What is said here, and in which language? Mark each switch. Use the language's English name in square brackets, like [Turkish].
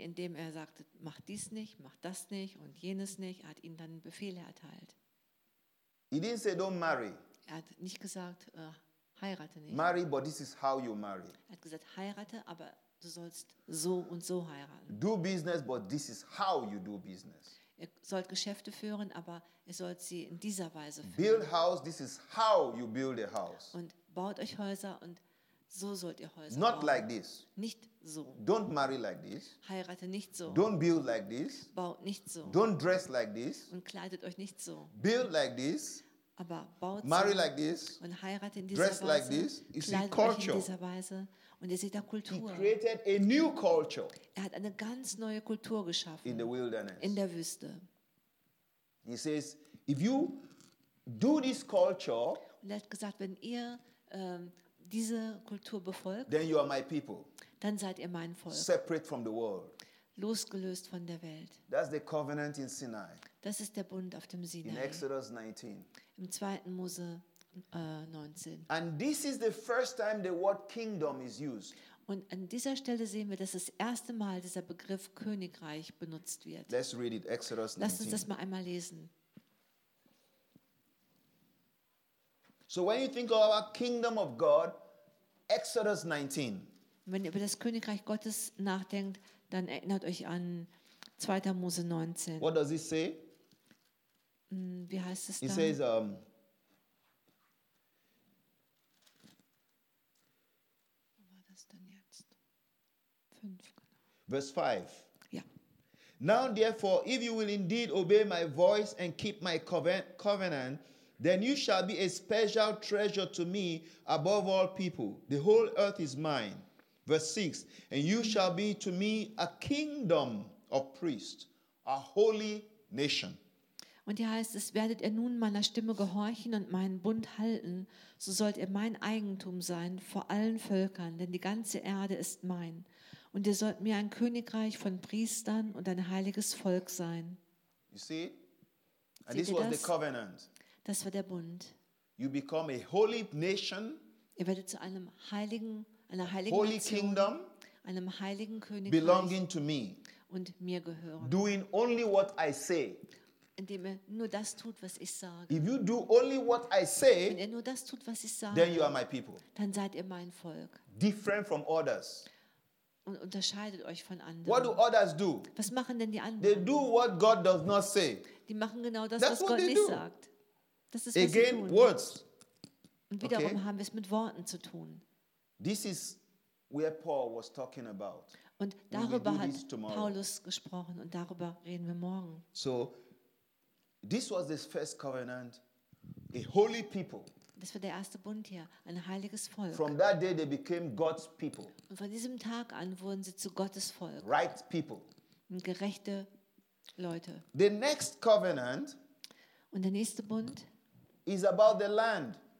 [German] Indem er sagte, mach dies nicht, mach das nicht und jenes nicht. Er hat ihnen dann Befehle erteilt. [English] He didn't say don't marry. [German] Er hat nicht gesagt, heirate nicht. [English] Marry, but this is how you marry. [German] Er hat gesagt, heirate, aber du sollst so und so heiraten. [English] Do business, but this is how you do business. [German] Ihr sollt Geschäfte führen, aber ihr sollt sie in dieser Weise führen. [English] Build house, this is how you build a house. [German] Und baut euch Häuser und so sollt ihr Häuser [English] Not [German] bauen. [English] Like this. [German] Nicht so. [English] Don't marry like this. [German] Heirate nicht so. [English] Don't build like this. [German] Baut nicht so. [English] Don't dress like this. [German] Und kleidet euch nicht so. [English] Build like this. [German] Aber baut [English] marry [German] so [English] like this. [German] Und heirate in dieser [English] dress [German] Weise. [English] Like this. You [German] kleidet [English] see culture. [German] Euch in dieser Weise. Und ihr seht da Kultur. [English] He created a new culture. [German] Er hat eine ganz neue Kultur geschaffen. [English] In the wilderness. [German] In der Wüste. [English] He says, if you do this culture. [German] Und er hat gesagt, wenn ihr diese Kultur befolgt, [English] then you are my people. [German] Dann seid ihr mein Volk. [English] Separate from the world. [German] Losgelöst von der Welt. [English] That's the covenant in Sinai. [German] Das ist der Bund auf dem Sinai. [English] In Exodus 19. [German] Im 2. Mose 19. [English] And this is the first time the word kingdom is used. [German] Und an dieser Stelle sehen wir, dass das erste Mal dieser Begriff Königreich benutzt wird. [English] Let's read it, Exodus 19. [German] Lass uns das mal einmal lesen. [English] So when you think of our kingdom of God, Exodus 19. [German] Wenn ihr über das Königreich Gottes nachdenkt, dann erinnert euch an 2. Mose 19. [English] What does it say? [German] Wie heißt es da? [English] It says, Verse 5. Yeah. Now therefore, if you will indeed obey my voice and keep my covenant, then you shall be a special treasure to me above all people. The whole earth is mine. Verse 6. And you shall be to me a kingdom of priests, a holy nation. [German] Und hier heißt es, werdet ihr nun meiner Stimme gehorchen und meinen Bund halten, so sollt ihr mein Eigentum sein vor allen Völkern, denn die ganze Erde ist mein. Und ihr sollt mir ein Königreich von Priestern und ein heiliges Volk sein. [English] You see? And this was the covenant. [German] Das war der Bund. [English] You become a holy nation. [German] Ihr werdet zu einem heiligen, einer heiligen [English] holy [German] Nation, [English] kingdom, [German] einem heiligen Königreich, [English] belonging to me, [German] und mir gehören. [English] Doing only what I say. [German] Indem ihr nur das tut, was ich sage. [English] If you do only what I say, [German] wenn ihr nur das tut, was ich sage, [English] then you are my people. [German] Dann seid ihr mein Volk. [English] Different from others. [German] Und unterscheidet euch von anderen. [English] What do others do? [German] Was machen denn die anderen? [English] They do what God does not say. [German] Die machen genau das, was Gott nicht sagt. Das ist, [English] again, [German] was sie tun. [English] Words. [German] Und wiederum haben wir es mit Worten zu tun. [English] This is where Paul was talking about. [German] Und darüber hat Paulus gesprochen und darüber reden wir morgen. [English] So, this was this first covenant, a holy people. [German] Das war der erste Bund hier, ein heiliges Volk. [English] From that day they became God's people. [German] Und von diesem Tag an wurden sie zu Gottes Volk. [English] Right people. [German] Und gerechte Leute. [English] The next covenant. [German] Und der nächste Bund. [English] Is about the land.